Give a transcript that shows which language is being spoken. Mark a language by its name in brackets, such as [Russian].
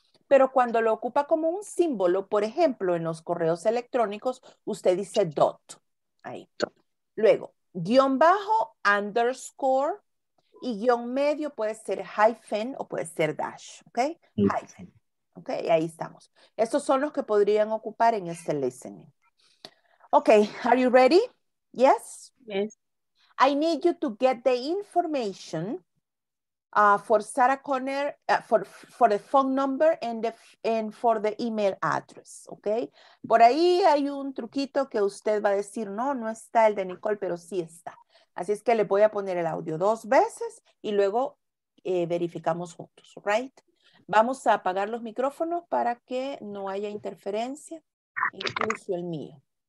[Spanish] Pero cuando lo ocupa como un símbolo, por ejemplo, en los correos electrónicos, usted dice dot, ahí. Luego, guión bajo, underscore, y guión medio puede ser hyphen o puede ser dash, ¿ok? Hyphen, ¿ok? Y ahí estamos. Estos son los que podrían ocupar en este listening. [English] Okay, are you ready? Yes? Yes. I need you to get the information for Sarah Conner, for the phone number and for the email address, okay? [Spanish] Por ahí hay un truquito que usted va a decir, no, no está el de Nicole, pero sí está. Así es que le voy a poner el audio dos veces y luego verificamos juntos, right? Vamos a apagar los micrófonos para que no haya interferencia, incluso el mío.